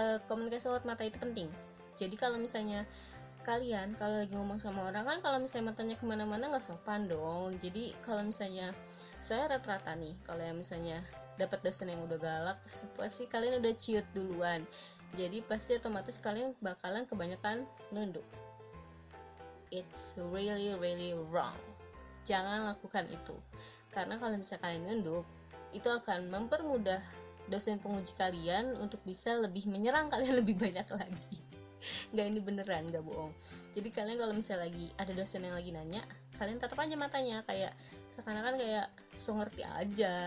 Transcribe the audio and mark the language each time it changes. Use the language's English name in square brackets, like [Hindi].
[Indonesian] Komunikasi lewat mata itu penting. Jadi kalau misalnya kalian, kalau lagi ngomong sama orang kan, kalau misalnya matanya kemana-mana gak sopan dong. Jadi kalau misalnya, saya rata-rata nih, kalau yang misalnya dapat dosen yang udah galak, pasti kalian udah ciut duluan. Jadi pasti otomatis kalian bakalan kebanyakan nunduk. [English] It's really, really wrong. [Indonesian] Jangan lakukan itu. Karena kalau misalnya kalian nunduk, itu akan mempermudah dosen penguji kalian untuk bisa lebih menyerang kalian lebih banyak lagi. Gak, ini beneran, gak bohong. Jadi kalian kalau misalnya lagi ada dosen yang lagi nanya, kalian tatap aja matanya, kayak seakan-akan kayak so ngerti aja.